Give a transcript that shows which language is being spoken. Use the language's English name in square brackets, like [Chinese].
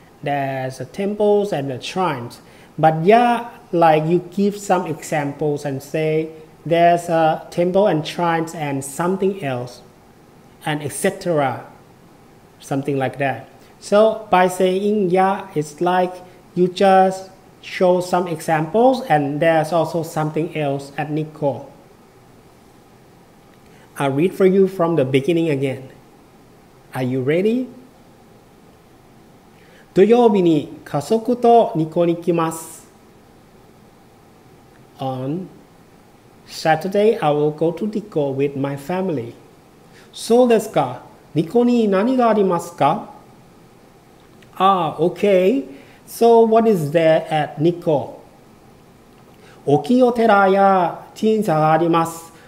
[English] There's a temples and the shrines. But ya, like you give some examples and say, there's a temple and shrines and something else, and etc. Something like that. So by saying ya, it's like you just show some examples and there's also something else at Nikko. I'll read for you from the beginning again. Are you ready? [Japanese] 土曜日に家族とニコに来ます。 [English] On Saturday, I will go to Nikko with my family. [Japanese] そうですか。ニコに何がありますか? [English] Ah, okay. So what is there at Nikko? [Japanese] 大きいお寺や神社があります。